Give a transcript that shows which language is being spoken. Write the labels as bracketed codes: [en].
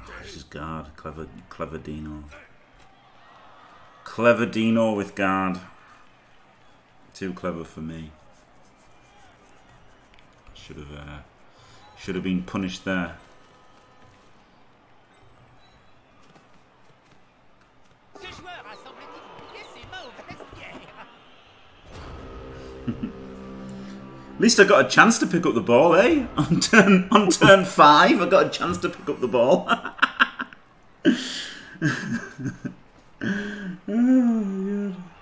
[en] This is God. Clever Dino. Clever Dino with guard. Too clever for me. Should have been punished there. [fr] Ce joueur a semblé dit, c'est mauvaise guerre. [en] At least I got a chance to pick up the ball, eh? On turn five, I got a chance to pick up the ball. Oh, God.